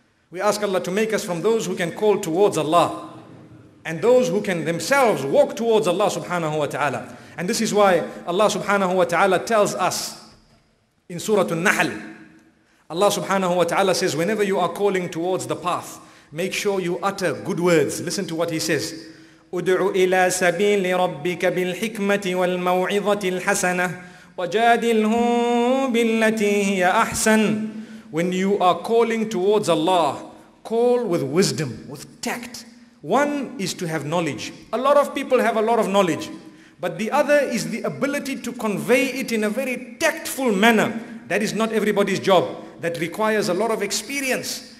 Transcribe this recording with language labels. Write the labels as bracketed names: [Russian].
[English] We ask Allah to make us from those who can call towards Allah and those who can themselves walk towards Allah subhanahu wa ta'ala. And this is why Allah subhanahu wa ta'ala tells us in Surah An-Nahl, Allah subhanahu wa ta'ala says, whenever you are calling towards the path, make sure you utter good words. Listen to what he says. [Arabic] ادعو إلى سبيل ربك بالحكمة والموعظة الحسنة وجادلهم بالتي هي أحسن. [English] When you are calling towards Allah, call with wisdom, with tact. One is to have knowledge. A lot of people have a lot of knowledge, but the other is the ability to convey it in a very tactful manner. That is not everybody's job. That requires a lot of experience.